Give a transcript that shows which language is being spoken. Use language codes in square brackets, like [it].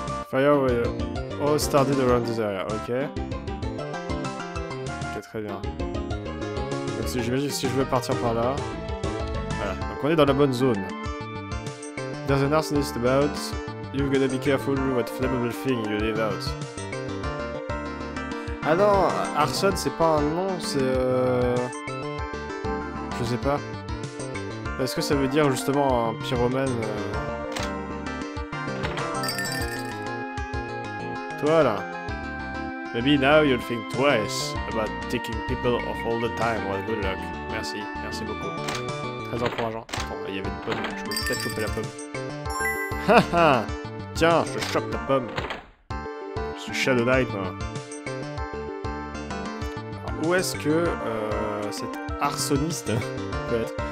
[en] Fire, all started around this area, ok. [fr] Ok, très bien. Donc j'imagine que si je veux partir par là... Voilà, donc on est dans la bonne zone. [en] There's an arsonist about. You've gotta be careful what flammable thing you leave out. [fr] Ah non, arson c'est pas un nom, c'est Je sais pas. Est-ce que ça veut dire justement un pyromane Voilà. [en] Maybe now you'll think twice about taking people off all the time. Well, good luck. [fr] Merci, merci beaucoup. Très encourageant. Bon, il y avait une pomme, je peux peut-être choper la pomme. Haha. Tiens, je chope ta pomme. Je suis Shadow Knight, moi. Alors, où est-ce que cet arsoniste peut être?